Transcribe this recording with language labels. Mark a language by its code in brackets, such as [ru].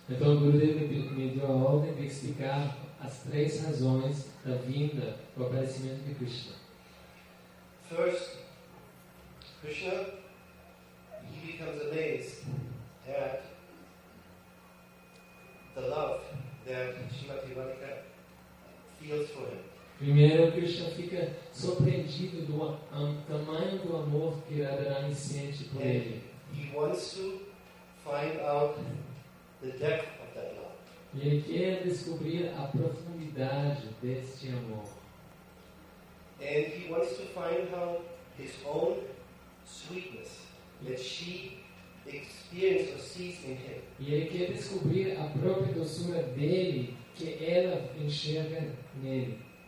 [pt] Então o Gurudev me deu a ordem de explicar as três razões da vinda do aparecimento de Krishna. [en] First, Krishna, he becomes amazed at the love that Srimati Radhika feels for him. [pt] Primeiro, Krishna fica surpreendido do tamanho do amor que Radharani sente por ele. [en] He wants to find out the depth of that love. [pt] E ele quer descobrir a profundidade deste amor. [en] And he wants to find how his own sweetness that she experienced or sees in him. [pt] E ele quer descobrir a própria doçura dele que ela enxerga nele.